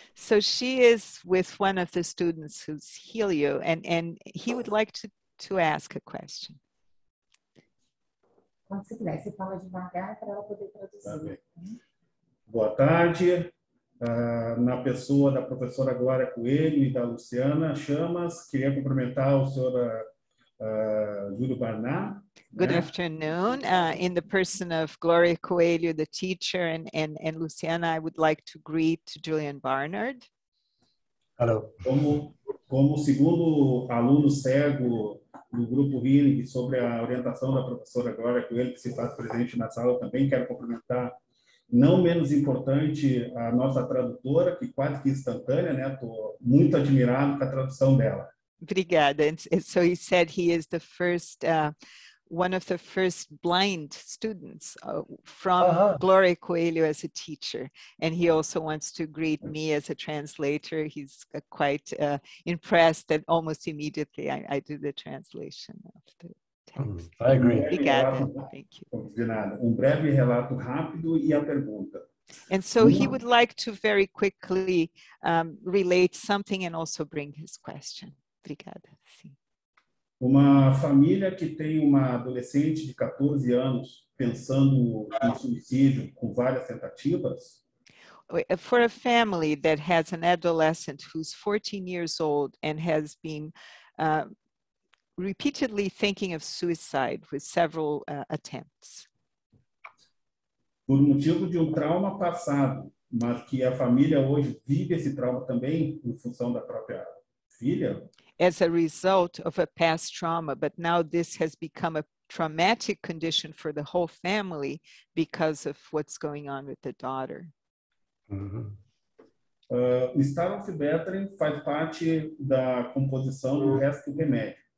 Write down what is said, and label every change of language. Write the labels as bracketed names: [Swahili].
[English] So she is with one of the students who's Helio, and he would like to ask a question. [Portuguese] Quando você quiser, você fala devagar para ela poder traduzir. Tá bem. Boa tarde, Na pessoa da professora Glória Coelho e da Luciana Chamas, queria cumprimentar o senhor Julian Barnard. [English] Good afternoon. In the person of Gloria Coelho, the teacher, and Luciana, I would like to greet Julian Barnard. Hello. [Portuguese] Como segundo aluno cego do grupo Healing, sobre a orientação da professora Glória Coelho, que se faz presente na sala, também quero cumprimentar, não menos importante, a nossa tradutora, que quase que instantânea, né? Estou muito admirado com a tradução dela. Obrigada. [English] So he said he is the first, one of the first blind students from Gloria Coelho as a teacher. And he also wants to greet me as a translator. He's quite impressed that almost immediately I do the translation of the text. I agree. [Portuguese] Obrigada. [English] Thank you. [Portuguese] De nada. Um breve relato rápido e a pergunta. [English] And so he would like to very quickly relate something and also bring his question. [Portuguese] Obrigada. Sim. Uma família que tem uma adolescente de 14 anos pensando em suicídio com várias tentativas. [English] For a family that has an adolescent who's 14 years old and has been repeatedly thinking of suicide with several attempts. [Portuguese] Por motivo de um trauma passado, mas que a família hoje vive esse trauma também em função da própria filha. [English] As a result of a past trauma, but now this has become a traumatic condition for the whole family because of what's going on with the daughter. Mm-hmm. [Portuguese] Star of Bethlehem faz parte da composição do resto do remédio.